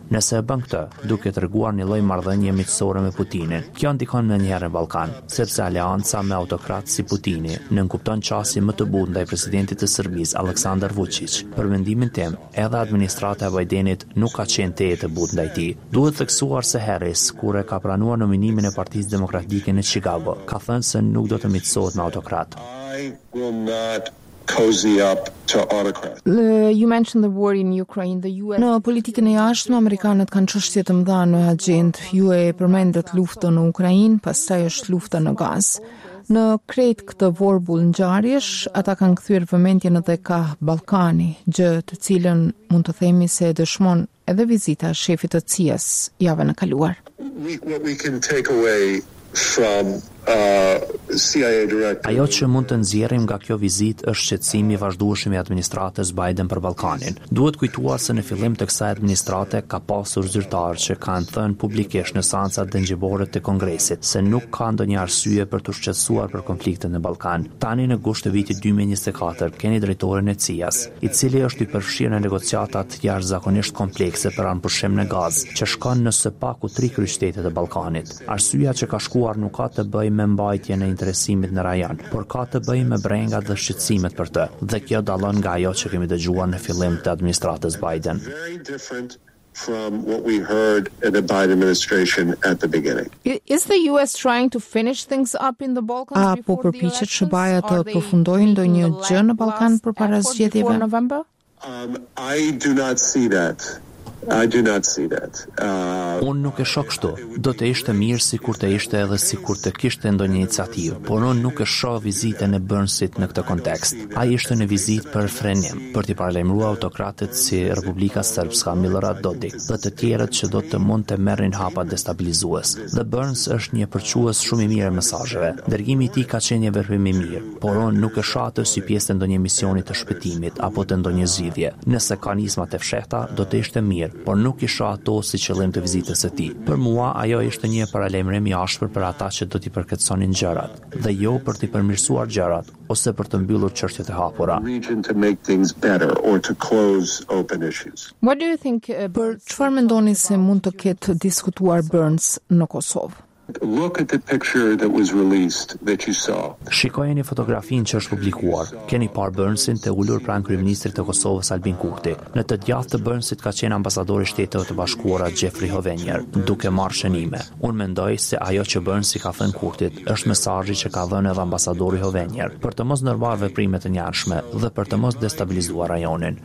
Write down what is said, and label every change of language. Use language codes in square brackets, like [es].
[sq] Nëse e bën këtë, duke treguar një lloj marrëdhënie miqësore me Putinin, kjo ndikon menjëherë në Ballkan, sepse alianca me autokrat si Putini nënkupton çasin më të butë ndaj presidentit të Serbisë Aleksandar Vučić. Për mendimin tim, edhe administrata e Bidenit nuk ka qenë te të butë ndaj tij. Duhet theksuar se Harris, kur e ka pranuar nominimin e Partisë Demokratike në Chicago, ka thënë se nuk do të miqësohet me autokrat. [en] You mentioned the war in Ukraine, the US. [sq] Në politikën e jashtme amerikanët kanë çështje të mëdha në agjendë. Ju e përmendët luftën në Ukrainë, pastaj është lufta në Gazë. Në krejt këtë vorbul ngjarjesh, ata kanë kthyer vëmendjen edhe ka Ballkani, gjë të cilën mund të themi se dëshmon edhe vizita e shefit të CIA-s javën e kaluar. [en] What we can take away from CIA director. [sq] Ajo që mund të nxjerrim nga kjo vizitë është shqetësimi i vazhdueshëm i administratës Biden për Ballkanin. Duhet kujtuar se në fillim të kësaj administrate ka pasur zyrtarë që kanë thënë publikisht në seanca dëngjimore të Kongresit se nuk ka ndonjë arsye për të shqetësuar për konfliktet në Ballkan. Tani në gusht të vitit 2024 keni drejtorin e CIA-s, i cili është i përfshirë në negociatat jashtëzakonisht komplekse për anëpushim në gaz, që shkon në sepaku tri kryqëzitë të Ballkanit. Arsyeja që ka shkuar nuk ka të bëjë me mbajtjen e interesimit në rajon, por ka të bëjë me brengat dhe shqetësimet për të, dhe kjo dallon nga ajo që kemi dëgjuar në fillim të administratës Biden. [en] From what we heard at the Biden administration at the beginning. Is the US trying to finish things up in the Balkans? [sq] A po përpiqet SBA-ja të përfundojë ndonjë gjë në Ballkan përpara zgjedhjeve? [en] I do not see that I do not see that. [sq] Unë nuk e shok kështu. Do të ishte mirë sikur të ishte edhe sikur të kishte ndonjë iniciativë, por unë nuk e shoh vizitën e Burnsit në këtë kontekst. Ai ishte në vizitë për frenim, për t'i paralajmëruar autokratët si Republika Serbska Milorad Dodik dhe të tjerët që do të mund të merrin hapa destabilizues. The Burns është një përçues shumë i mirë mesazheve. Dërgimi i tij ka qenë një veprim i mirë, por unë nuk e shoh atë si pjesë të ndonjë misioni të shpëtimit apo të ndonjë zgjidhje. Nëse ka nismat e fshehta, do të ishte mirë, por nuk isha ato si qëllim të vizitës së tij. Për mua ajo ishte një paralajmërim i ashpër për ata që do t'i përketësonin gjërat, dhe jo për t'i përmirësuar gjërat ose për të mbyllur çështjet e hapura. Për çfarë mendoni se mund të ketë diskutuar Burns në Kosovë? [en] Look at the picture that was released that you saw. [sq] Shikojeni fotografinë që është publikuar. Keni parë Burnsin të ulur pranë kryeministrit të Kosovës Albin Kurti. Në të djathtë të Burnsit ka qenë ambasadori i Shteteve të Bashkuara Jeffrey Hovenier, duke marrë shënime. Unë mendoj se ajo që Burnsi ka thënë Kurtit është mesazhi që ka dhënë edhe ambasadori Hovenier për të mos ndërmarrë veprime të njanshme dhe për të mos destabilizuar rajonin.